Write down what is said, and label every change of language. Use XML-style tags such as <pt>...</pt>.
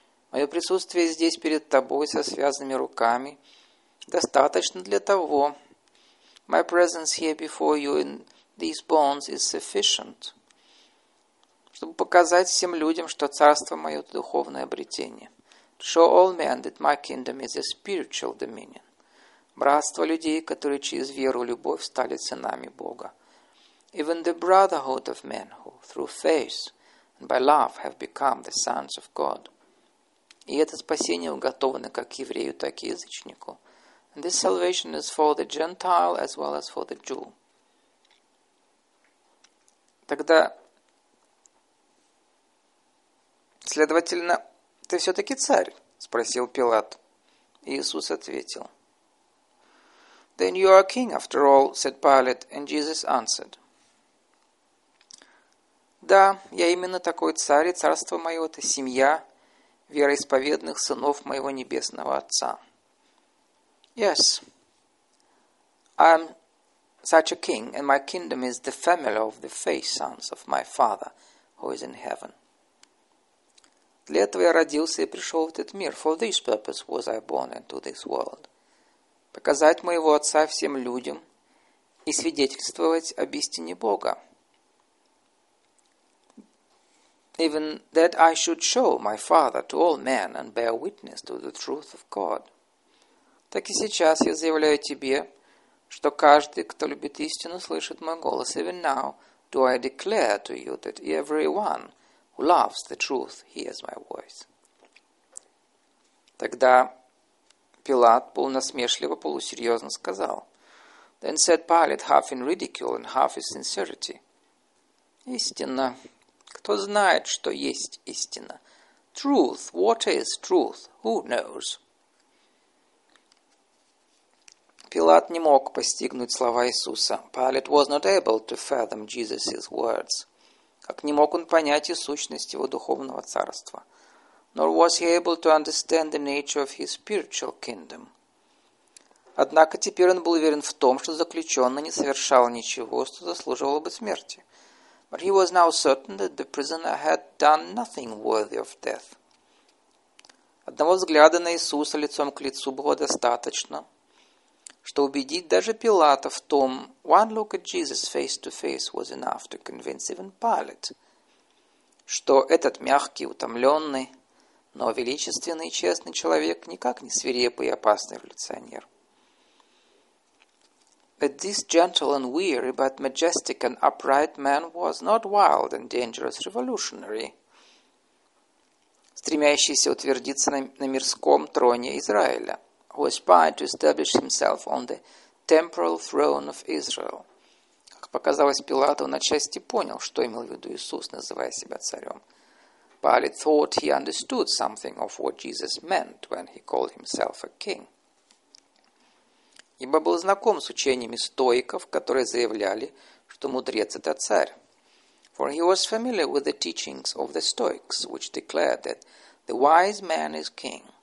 <ru>Мое присутствие здесь перед тобой со связанными руками достаточно для того.</ru> <en>My presence here before you in these bonds is sufficient.</en> <ru>Чтобы показать всем людям, что царство мое – духовное обретение.</ru> <en>To show all men that my kingdom is a spiritual dominion.</en> <ru>Братство людей, которые через веру и любовь стали сынами Бога.</ru> <en>Even the brotherhood of men who, through faith and by love, have become the sons of God.</en> <ru>И это спасение уготовано как еврею, так и язычнику.</ru> <en>And this salvation is for the Gentile as well as for the Jew.</en> <ru>Тогда, следовательно, ты все-таки царь? Спросил Пилат. Иисус ответил.</ru> <en>Then you are king after all, said Pilate, and Jesus answered.</en> <ru>Да, я именно такой царь, и царство мое – это семья вероисповедных сынов моего небесного Отца.</ru> <en>Yes, I'm such a king, and my kingdom is the family of the faith sons of my Father, who is in heaven.</en> <ru>Для этого я родился и пришел в этот мир.</ru> <en>For this purpose was I born into this world.</en> <ru>Показать моего Отца всем людям и свидетельствовать об истине Бога.</ru> <en>Even that I should show my Father to all men and bear witness to the truth of God.</en> <ru>Так и сейчас я заявляю тебе, что каждый, кто любит истину, слышит мой голос.</ru> <en>Even now do I declare to you that everyone who loves the truth hears my voice.</en> <ru>Тогда Пилат полунасмешливо, полусерьезно сказал.</ru> <en>Then said Pilate, half in ridicule and half in sincerity.</en> <ru>Истинно. Кто знает, что есть истина?</ru> <en>Truth. What is truth? Who knows?</en> <ru>Пилат не мог постигнуть слова Иисуса.</ru> <en>Pilate was not able to fathom Jesus's words.</en> <ru>Как не мог он понять и сущность его духовного царства.</ru> <en>Nor was he able to understand the nature of his spiritual kingdom.</en> <ru>Однако теперь он был уверен в том, что заключенный не совершал ничего, что заслуживало бы смерти.</ru> <en>But he was now certain that the prisoner had done nothing worthy of death.</en> <ru>Одного взгляда на Иисуса лицом к лицу было достаточно, что убедить даже Пилата в том,</ru> <en>one look at Jesus face to face was enough to convince even Pilate,</en> <ru>что этот мягкий, утомленный, но величественный и честный человек никак не свирепый и опасный революционер.</ru> <en>That this gentle and weary, but majestic and upright man was not wild and dangerous revolutionary,</en> <ru>стремящийся утвердиться на мирском троне Израиля,</ru> <en>who aspired to establish himself on the temporal throne of Israel.</en> <ru>Как показалось Пилату, он отчасти понял, что имел в виду Иисус, называя себя царем.</ru> <en>Pilate thought he understood something of what Jesus meant when he called himself a king.</en> <ru>Ибо был знаком с учениями стоиков, которые заявляли, что мудрец – это царь.</ru> <en>For he was familiar with the teachings of the Stoics, which declared that the wise man is king.</en>